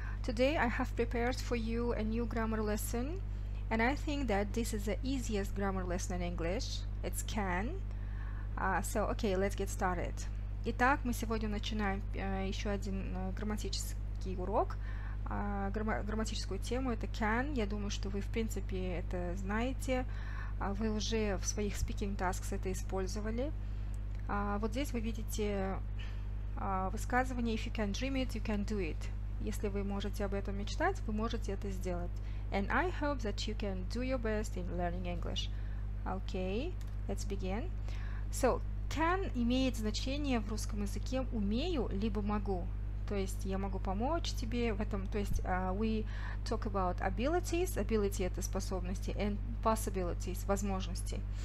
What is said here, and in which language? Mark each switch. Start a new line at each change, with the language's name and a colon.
English: Today I have prepared for you a new grammar lesson, and I think that this is the easiest grammar lesson in English. It's can. Okay, let's get started.
Russian: Итак, мы сегодня начинаем еще один грамматический урок. Грамматическую тему — это can. Я думаю, что вы, в принципе, это знаете. Вы уже в своих
English: speaking tasks
Russian: это использовали. Вот здесь вы видите высказывание
English: «If you can dream it, you can do it».
Russian: Если вы можете об этом мечтать, вы можете это сделать.
English: And I hope that you can do your best in learning English. Okay, let's begin.
Russian: So, can имеет значение в русском языке «умею» либо «могу». То есть я могу помочь тебе в этом. То есть
English: we talk about abilities.
Russian: Ability – это способности.
English: And possibilities – возможности.